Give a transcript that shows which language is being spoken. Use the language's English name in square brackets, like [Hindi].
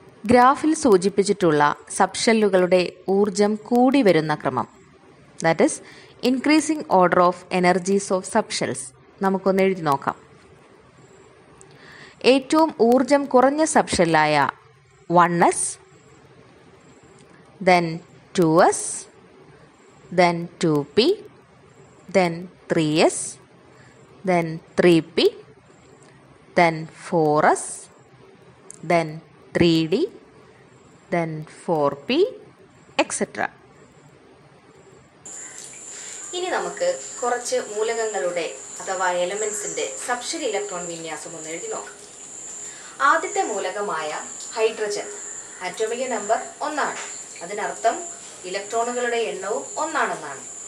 [Malayalam] ഗ്രാഫിൽ സൂചിപ്പിച്ചിട്ടുള്ള സബ്ഷെല്ലുകളുടെ ഊർജം കൂടി വരുന്ന ക്രമം, [English] that is increasing order of energies of subshells, [Malayalam] നമുക്കൊന്ന് എഴുതി നോക്കാം. ഏറ്റവും ഊർജം കുറഞ്ഞ സബ്ഷെല്ലായ [English] 1s, then 2s, then 2p, then 3s, then 3p, then 4s, then 3d, then 4p, etc. [Malayalam] ഇനി നമുക്ക് കുറച്ച് മൂലകങ്ങളുടെ അഥവാ എലമെന്റ്സിന്റെ സബ്ഷെൽ ഇലക്ട്രോൺ വിന്യാസം ഒന്ന് എഴുതി നോക്കാം. ആദ്യത്തെ മൂലകമായ ഹൈഡ്രജൻ ആറ്റോമിക നമ്പർ 1, അതിനർത്ഥം ഇലക്ട്രോണുകളുടെ എണ്ണവും 1.